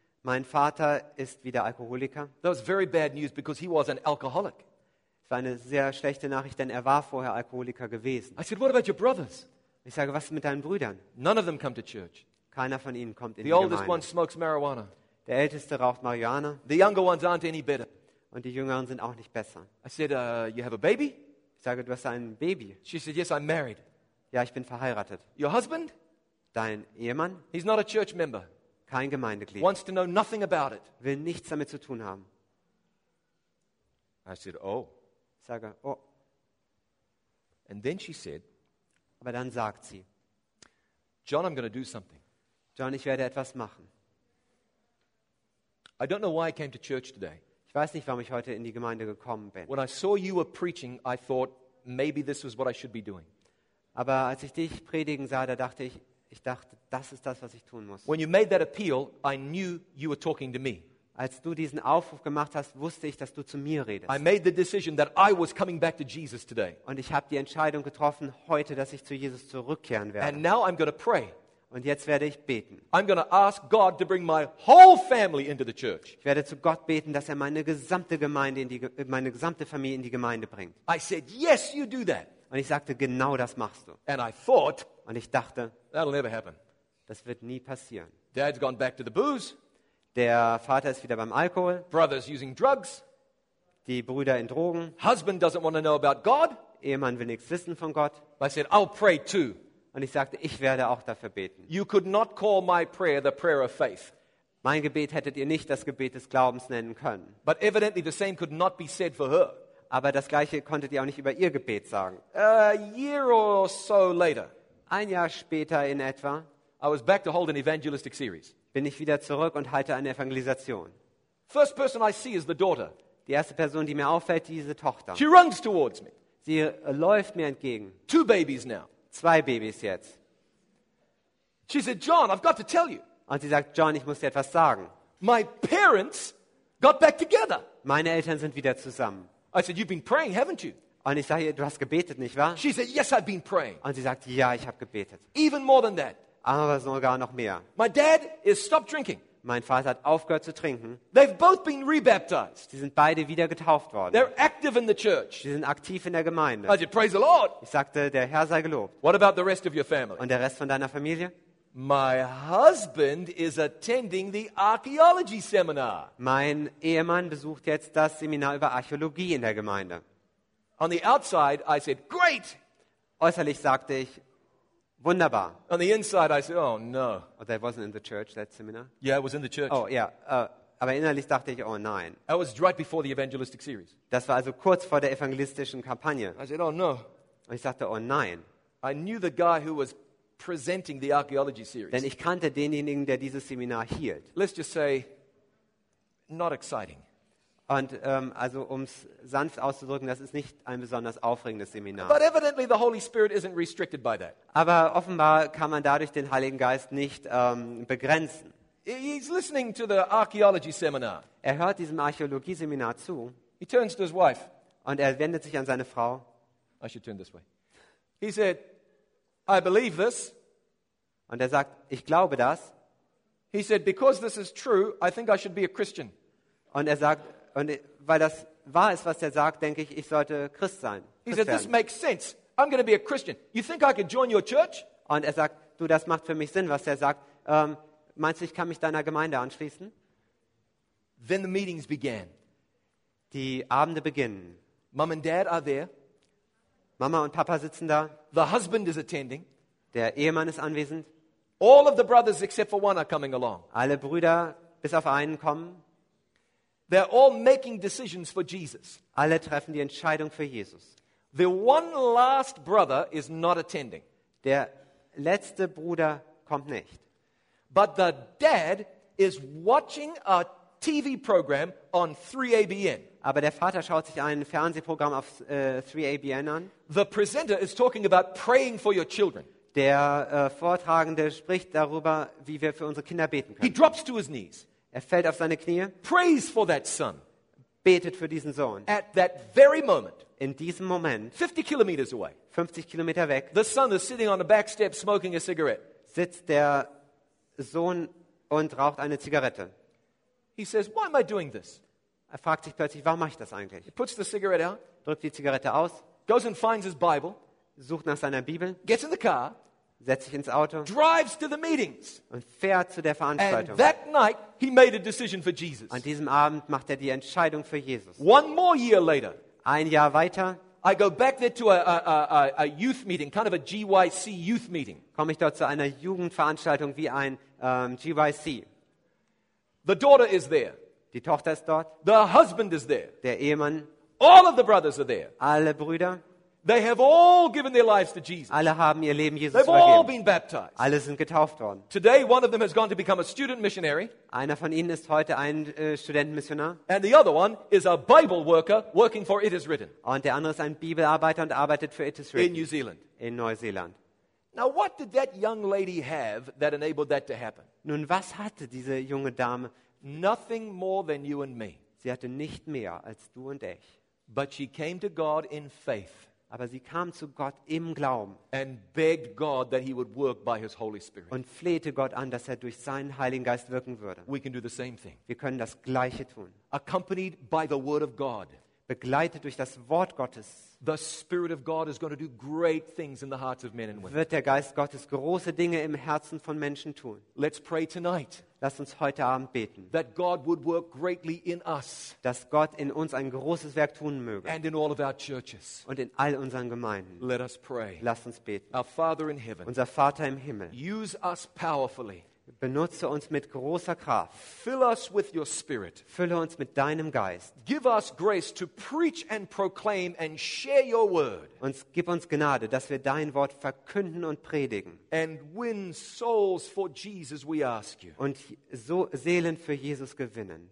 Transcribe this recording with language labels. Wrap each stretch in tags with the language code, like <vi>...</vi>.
<de>Mein Vater ist wieder Alkoholiker.</de> <en>That was very bad news because he was an alcoholic.</en> <de>Es war eine sehr schlechte Nachricht, denn er war vorher Alkoholiker gewesen.</de> <en>I said, what about your brothers?</en> <de>Ich sage, was ist mit deinen Brüdern?</de> <en>None of them come to church.</en> <de>Keiner von ihnen kommt in die Gemeinde.</de> <en>The oldest one smokes marijuana.</en> <de>Der Älteste raucht Marihuana.</de> <en>The younger ones aren't any better.</en> <de>Und die Jüngeren sind auch nicht besser.</de> <en>I said, you have a baby?</en> <de>Ich sage, du hast ein Baby.</de> <en>She said, yes, I'm married.</en> <de>Ja, ich bin verheiratet.</de> <en>Your husband?</en> <de>Dein Ehemann?</de> <en>He's not a church member.</en> <de>Kein Gemeindeglied.</de> <en>Wants to know nothing about it.</en> <de>Will nichts damit zu tun haben.</de> <en>I said, oh.</en> <de>Ich sage, oh.</de> <en>And then she said,</en> <de>aber dann sagt sie,</de> <en>John, I'm going to do something.</en> <de>John, ich werde etwas machen.</de> <en>I don't know why I came to church today.</en> <de>Ich weiß nicht, warum ich heute in die Gemeinde gekommen bin.</de> <en>When I saw you were preaching, I thought maybe this was what I should be doing.</en> <de>Aber als ich dich predigen sah, da dachte ich, das ist das, was ich tun muss.</de> <en>When you made that appeal, I knew you were talking to me.</en> <de>Als du diesen Aufruf gemacht hast, wusste ich, dass du zu mir redest.</de> <en>I made the decision that I was coming back to Jesus today.</en> <de>Und ich habe die Entscheidung getroffen heute, dass ich zu Jesus zurückkehren werde.</de> <en>And now I'm going to pray.</en> <de>Und jetzt werde ich beten.</de> <en>I'm going to ask God to bring my whole family into the church.</en> <de>Ich werde zu Gott beten, dass er meine gesamte Familie in die Gemeinde bringt.</de> <en>I said, yes, you do that.</en> <de>Und ich sagte, genau das machst du.</de> <en>And I thought,</en> <de>und ich dachte,</de> <en>that'll never happen.</en> <de>Das wird nie passieren.</de> <en>Dad's gone back to the booze.</en> <de>Der Vater ist wieder beim Alkohol.</de> <en>Brothers using drugs.</en> <de>Die Brüder in Drogen.</de> <en>Husband doesn't want to know about God.</en> <de>Ehemann will nichts wissen von Gott.</de> <en>But I said, I'll pray too.</en> <de>Und ich sagte, ich werde auch dafür beten.</de> <en>You could not call my prayer the prayer of faith.</en> <de>Mein Gebet hättet ihr nicht das Gebet des Glaubens nennen können.</de> <en>But evidently the same could not be said for her.</en> <de>Aber das Gleiche konntet ihr auch nicht über ihr Gebet sagen.</de> <en>A year or so later.</en> <de>Ein Jahr später in etwa.</de> <en>I was back to hold an evangelistic series.</en> <de>Bin ich wieder zurück und halte eine Evangelisation.</de> <en>First person I see is the daughter.</en> <de>Die erste Person, die mir auffällt, diese Tochter.</de> <en>She runs towards me.</en> <de>Sie läuft mir entgegen.</de> <en>Two babies now.</en> <de>Zwei Babys jetzt.</de> <en>She said, John, I've got to tell you.</en> <de>Und sie sagt, John, ich muss dir etwas sagen.</de> <en>My parents got back together.</en> <de>Meine Eltern sind wieder zusammen.</de> <en>I said, you've been praying, haven't you?</en> <de>Und ich sage, du hast gebetet, nicht wahr?</de> <en>She said, yes, I've been praying.</en> <de>Und sie sagt, ja, ich habe gebetet.</de> <en>Even more than that.</en> <de>Aber sogar noch mehr.</de> <en>My dad is stopped drinking.</en> <de>Mein Vater hat aufgehört zu trinken.</de> <en>They've both been rebaptized.</en> <de>Sie sind beide wieder getauft worden.</de> <en>They're active in the church.</en> <de>Sie sind aktiv in der Gemeinde.</de> <en>I said, praise the Lord.</en> <de>Ich sagte, der Herr sei gelobt.</de> <en>What about the rest of your family?</en> <de>Und der Rest von deiner Familie?</de> <en>My husband is attending the archaeology seminar.</en> <de>Mein Ehemann besucht jetzt das Seminar über Archäologie in der Gemeinde.</de> <en>On the outside, I said, great.</en> <de>Äußerlich sagte ich, wunderbar.</de> <en>On the inside, I said, oh no. Oh, that wasn't in the church, that seminar. Yeah, it was in the church. Oh yeah,</en> <de>aber innerlich dachte ich, oh nein.</de> <en>That was right before the evangelistic series.</en> <de>Das war also kurz vor der evangelistischen Kampagne.</de> <en>I said, oh no.</en> <de>Und ich sagte, oh nein.</de> <en>I knew the guy who was presenting the archaeology series.</en> <de>Denn ich kannte denjenigen, der dieses Seminar hielt.</de> <en>Let's just say, not exciting.</en> <de>Und also um es sanft auszudrücken, das ist nicht ein besonders aufregendes Seminar.</de> <en>But evidently the Holy Spirit isn't restricted by that.</en> <de>Aber offenbar kann man dadurch den Heiligen Geist nicht begrenzen.</de> <en>He's listening to the archaeology seminar.</en> <de>Er hört diesem Archäologie-Seminar zu.</de> <en>He turns to his wife.</en> <de>Und er wendet sich an seine Frau.</de> <en>I should turn this way. He said, I believe this.</en> <de>Und er sagt, ich glaube das.</de> <en>He said, because this is true, I think I should be a Christian.</en> <de>Und er sagt, und weil das wahr ist, was er sagt, denke ich, ich sollte Christ sein.</de> <en>He said, this makes sense. I'm going to be a Christian. You think I could join your church?</en> <de>Und er sagt, du, das macht für mich Sinn, was er sagt. Meinst du, ich kann mich deiner Gemeinde anschließen?</de> <en>Then the meetings began.</en> <de>Die Abende beginnen.</de> <en>Mom and Dad are there.</en> <de>Mama und Papa sitzen da.</de> <en>The husband is attending.</en> <de>Der Ehemann ist anwesend.</de> <en>All of the brothers except for one are coming along.</en> <de>Alle Brüder bis auf einen kommen.</de> <en>They're all making decisions for Jesus.</en> <de>Alle treffen die Entscheidung für Jesus.</de> <en>The one last brother is not attending.</en> <de>Der letzte Bruder kommt nicht.</de> <en>But the dad is watching a TV program on 3ABN.</en> <de>Aber der Vater schaut sich ein Fernsehprogramm auf 3ABN an.</de> <en>The presenter is talking about praying for your children.</en> <de>Der Vortragende spricht darüber, wie wir für unsere Kinder beten können.</de> <en>He drops to his knees.</en> <de>Er fällt auf seine Knie.</de> <en>Prays for that son.</en> <de>Betet für diesen Sohn.</de> <en>At that very moment.</en> <de>In diesem Moment.</de> <en>50 kilometers away.</en> <de>50 Kilometer weg.</de> <en>The son is sitting on the back step smoking a cigarette.</en> <de>Sitzt der Sohn und raucht eine Zigarette.</de> <en>He says, "Why am I doing this?"</en> <de>Er fragt sich plötzlich, warum mache ich das eigentlich?</de> <en>He puts the cigarette out.</en> <de>Drückt die Zigarette aus.</de> <en>Goes and finds his Bible.</en> <de>Sucht nach seiner Bibel.</de> <en>Gets in the car.</en> <de>Setzt sich ins Auto.</de> <en>Drives to the meetings.</en> <de>Und fährt zu der Veranstaltung.</de> <en>And that night he made a decision for Jesus.</en> <de>An diesem Abend macht die Entscheidung für Jesus.</de> <en>One more year later.</en> <de>Ein Jahr weiter.</de> <en>I go back there to a youth meeting, kind of a GYC youth meeting.</en> <de>Komme ich dort zu einer Jugendveranstaltung wie ein GYC.</de> <en>The daughter is there.</en> <de>Die Tochter ist dort.</de> <en>The husband is there.</en> <de>Der Ehemann.</de> <en>All of the brothers are there.</en> <de>Alle Brüder.</de> <en>They have all given their lives to Jesus.</en> <de>Alle haben ihr Leben Jesus</de> <en>They've</en> <de>übergeben.</de> <en>All been baptized.</en> <de>Alle sind getauft worden.</de> <en>Today one of them has gone to become a student missionary.</en> <de>Einer von ihnen ist heute ein Studentenmissionar.</de> <en>And the other one is a Bible worker working for It Is Written.</en> <de>Und der andere ist ein Bibelarbeiter und arbeitet für It Is Written.</de> <en>In New Zealand.</en> <de>In Neuseeland.</de> <en>Now what did that young lady have that enabled that to happen?</en> <de>Nun, was hatte diese junge Dame?</de> <en>Nothing more than you and me.</en> <de>Sie hatte nicht mehr als du und ich.</de> <en>But she came to God in faith.</en> <de>Aber sie kam zu Gott im Glauben.</de> <en>And begged God that he would work by his Holy Spirit.</en> <de>Und flehte Gott an, dass er durch seinen Heiligen Geist wirken würde.</de> <en>We can do the same thing.</en> <de>Wir können das Gleiche tun.</de> <en>Accompanied by the word of God.</en> <de>Begleitet durch das Wort Gottes.</de> <en>The Spirit of God is going to do great things in the hearts of men and women.</en> <de>Wird der Geist Gottes große Dinge im Herzen von Menschen tun.</de> <en>Let's pray tonight.</en> <de>Lass uns heute Abend beten.</de> <en>That God would work greatly in us.</en> <de>Dass Gott in uns ein großes Werk tun möge.</de> <en>And in all of our churches.</en> <de>Und in all unseren Gemeinden.</de> <en>Let us pray.</en> <de>Lass uns beten.</de> <en>Our Father in heaven.</en> <de>Unser Vater im Himmel.</de> <en>Use us powerfully.</en> <de>Benutze uns mit großer Kraft.</de> <en>Fill us with your spirit.</en> <de>Fülle uns mit deinem Geist.</de> <en>Give us grace to preach and proclaim and share your word.</en> <de>Und gib uns Gnade, dass wir dein Wort verkünden und predigen.</de> <en>And win souls for Jesus, we ask you.</en> <de>Und so Seelen für Jesus gewinnen.</de>